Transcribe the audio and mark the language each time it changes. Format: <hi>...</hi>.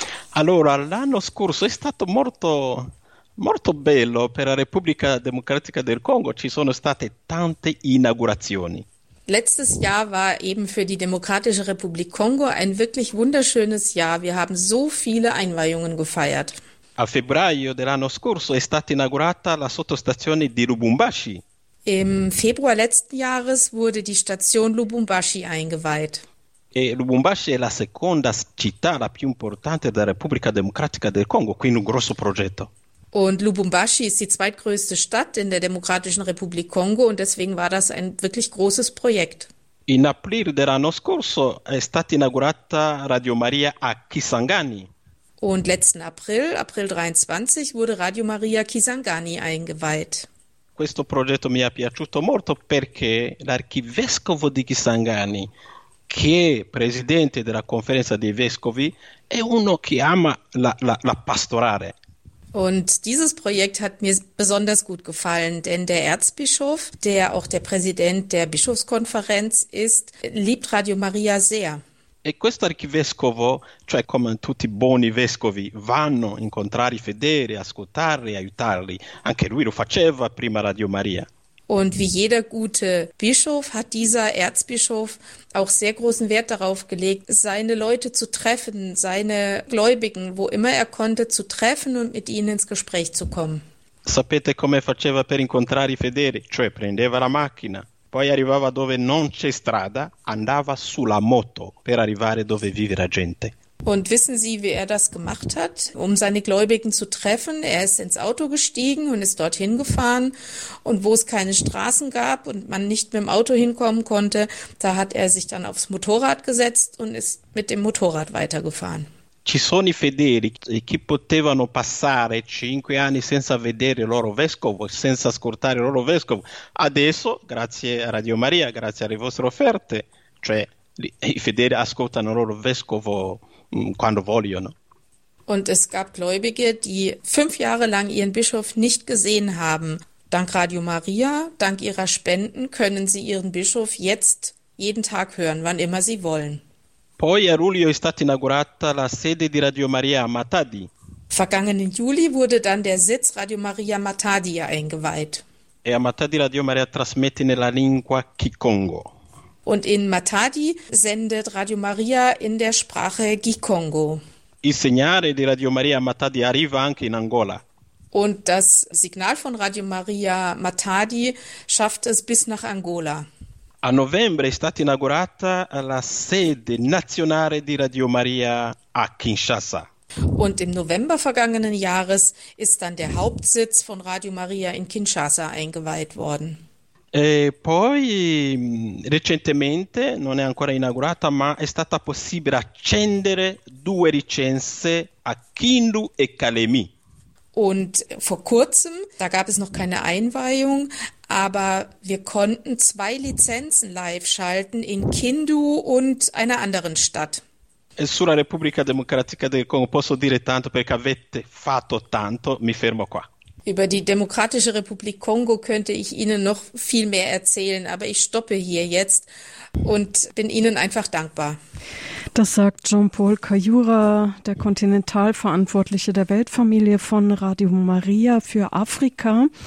<it>Allora, l'anno scorso è stato molto, molto bello per la Repubblica Democratica del Congo. Ci sono state tante inaugurazioni.</it> <de>Letztes Jahr war eben für die Demokratische Republik Kongo ein wirklich wunderschönes Jahr. Wir haben so viele Einweihungen gefeiert.</de> <it>A febbraio dell'anno scorso è stata inaugurata la sottostazione di Lubumbashi.</it> <de>Im Februar letzten Jahres wurde die Station Lubumbashi eingeweiht.</de> <it>E Lubumbashi è la seconda città, la più importante della Repubblica Democratica del Congo, quindi un grosso progetto.</it> <de>Und Lubumbashi ist die zweitgrößte Stadt in der Demokratischen Republik Kongo und deswegen war das ein wirklich großes Projekt.</de> <it>In aprile dell'anno scorso è stata inaugurata Radio Maria a Kisangani.</it> <de>Und letzten April 23, wurde Radio Maria Kisangani eingeweiht.</de> <it>Questo progetto mi è piaciuto molto perché l'arcivescovo di Kisangani, che è presidente della conferenza dei vescovi, è uno che ama la pastorale.</it> <de>Und dieses Projekt hat mir besonders gut gefallen, denn der Erzbischof, der auch der Präsident der Bischofskonferenz ist, liebt Radio Maria sehr.</de> <it>E questo arcivescovo, cioè come tutti i buoni vescovi, vanno a incontrare i fedeli, ascoltarli, aiutarli. Anche lui lo faceva prima Radio Maria.</it> <de>Und wie jeder gute Bischof hat dieser Erzbischof auch sehr großen Wert darauf gelegt, seine Leute zu treffen, seine Gläubigen, wo immer er konnte, zu treffen und mit ihnen ins Gespräch zu kommen.</de> <it>Sapete come faceva per incontrare i fedeli? Cioè prendeva la macchina. Poi arrivava dove non c'è strada, andava sulla moto per arrivare dove vive la gente.</it> <de>Und wissen Sie, wie er das gemacht hat, um seine Gläubigen zu treffen? Er ist ins Auto gestiegen und ist dorthin gefahren. Und wo es keine Straßen gab und man nicht mit dem Auto hinkommen konnte, da hat er sich dann aufs Motorrad gesetzt und ist mit dem Motorrad weitergefahren.</de> <it>Ci sono i fedeli che potevano passare 5 anni senza vedere il loro vescovo, senza ascoltare il loro vescovo. Adesso, grazie a Radio Maria, grazie alle vostre offerte, cioè i fedeli ascoltano il loro vescovo quando vogliono.</it> <de>Und es gab Gläubige, die 5 Jahre lang ihren Bischof nicht gesehen haben. Dank Radio Maria, dank ihrer Spenden können sie ihren Bischof jetzt jeden Tag hören, wann immer sie wollen.</de> <it>Poi a luglio è stata inaugurata la sede di Radio Maria a Matadi.</it> <de>Vergangenen Juli wurde dann der Sitz Radio Maria Matadi eingeweiht.</de> <it>E a Matadi Radio Maria trasmette nella lingua Kikongo.</it> <de>Und in Matadi sendet Radio Maria in der Sprache Gikongo.</de> <it>Il segnale di Radio Maria a Matadi arriva anche in Angola.</it> <de>Und das Signal von Radio Maria Matadi schafft es bis nach Angola.</de> <it>A novembre è stata inaugurata la sede nazionale di Radio Maria a Kinshasa.</it> <de>Und im November vergangenen Jahres ist dann der Hauptsitz von Radio Maria in Kinshasa eingeweiht worden.</de> <it>E poi, recentemente, non è ancora inaugurata, ma è stata possibile accendere 2 licenze a Kindu e Kalemie.</it> <de>Und vor kurzem, da gab es noch keine Einweihung, aber wir konnten 2 Lizenzen live schalten in Kindu und einer anderen Stadt.</de> <it>E sulla Repubblica Democratica del Congo posso dire tanto perché avete fatto tanto, mi fermo qua.</it> <de>Über die Demokratische Republik Kongo könnte ich Ihnen noch viel mehr erzählen, aber ich stoppe hier jetzt und bin Ihnen einfach dankbar. Das sagt Jean-Paul Kayura, der Kontinentalverantwortliche der Weltfamilie von Radio Maria für Afrika.</de>